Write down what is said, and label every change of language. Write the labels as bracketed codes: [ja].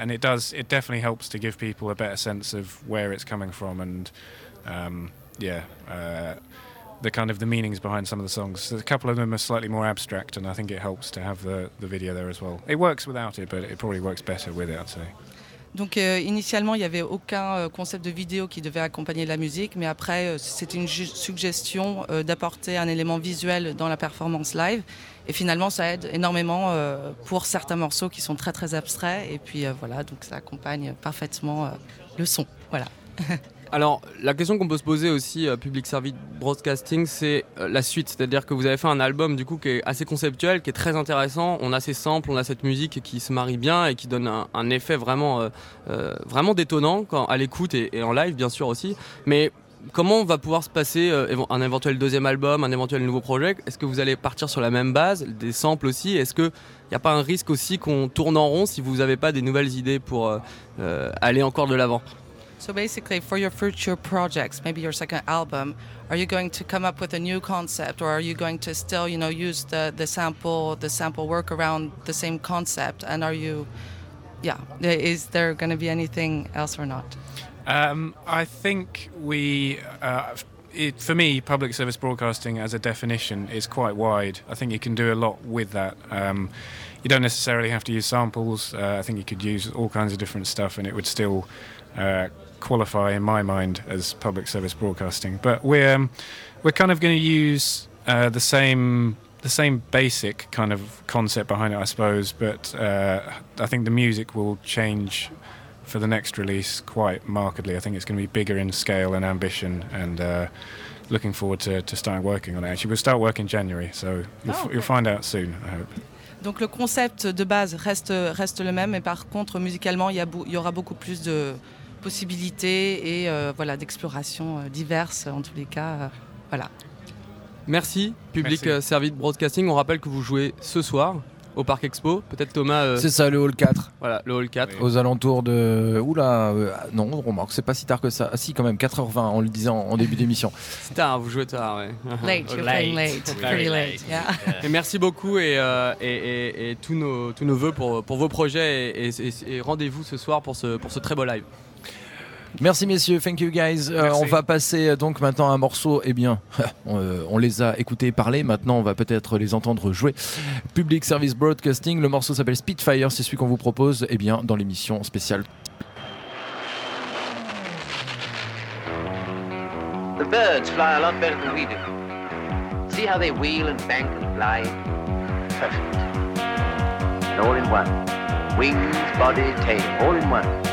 [en] And it definitely helps to give people a better sense of where it's coming from. And the kind of the meanings behind some of the songs. So a couple of them are slightly more abstract, and I think it helps to have the video there as well. It works without it, but it probably works better with it, I'd say. [fr] Donc initialement, il n'y avait aucun concept de vidéo qui devait accompagner la musique, mais après, c'était une suggestion d'apporter un élément visuel dans la performance live. Et finalement, ça aide énormément pour certains morceaux qui sont très, très abstraits. Et puis voilà, donc ça accompagne parfaitement le son. Voilà. Alors, la question qu'on peut se poser aussi, Public Service Broadcasting, c'est la suite. C'est-à-dire que vous avez fait un album, du coup, qui est assez conceptuel, qui est très intéressant. On a ces samples, on a cette musique qui se marie bien et qui donne un effet vraiment, vraiment détonnant quand, à l'écoute et en live, bien sûr, aussi. Mais comment va pouvoir se passer un éventuel deuxième album, un éventuel nouveau projet? Est-ce que vous allez partir sur la même base, des samples aussi? Est-ce qu'il n'y a pas un risque aussi qu'on tourne en rond si vous n'avez pas des nouvelles idées pour aller encore de l'avant? [en] So basically, for your future projects, maybe your second album, are you going to come up with a new concept, or are you going to still, you know, use the sample work around the same concept? And are you, is there going to be anything else or not? I think for me, public service broadcasting as a definition is quite wide. I think you can do a lot with that. You don't necessarily have to use samples. I think you could use all kinds of different stuff, and it would still qualify in my mind as public service broadcasting. But we're kind of going to use the same basic kind of concept behind it, I suppose. But I think the music will change for the next release quite markedly. I think it's going to be bigger in scale and ambition, and looking forward to starting working on it. Actually, we'll start work in January, so you'll find out soon, I hope. [fr] Donc le concept de base reste le même, mais par contre musicalement il y aura beaucoup plus de possibilités et voilà d'explorations diverses en tous les cas voilà. Merci Public Service Broadcasting. On rappelle que vous jouez ce soir au Parc Expo. Peut-être Thomas. C'est ça, le hall 4. Voilà, le hall 4. Oui. Aux alentours de... Oula, non, on remarque, c'est pas si tard que ça. Ah si, quand même, 4h20, on le disait en début d'émission. C'est tard, vous jouez tard, ouais. [en] Late, you're playing late. Pretty late, yeah. [fr] Et merci beaucoup et tous nos vœux pour vos projets et rendez-vous ce soir pour ce très beau live. Merci messieurs, [en] thank you guys. [fr] On va passer donc maintenant à un morceau. Eh bien, on les a écoutés parler, maintenant on va peut-être les entendre jouer. Public Service Broadcasting, le morceau s'appelle Spitfire, c'est celui qu'on vous propose eh bien, dans l'émission spéciale. [en] The birds fly a lot better than we do. See how they wheel and bank and glide. Perfect. All in one. Wings, body, tail, all in one.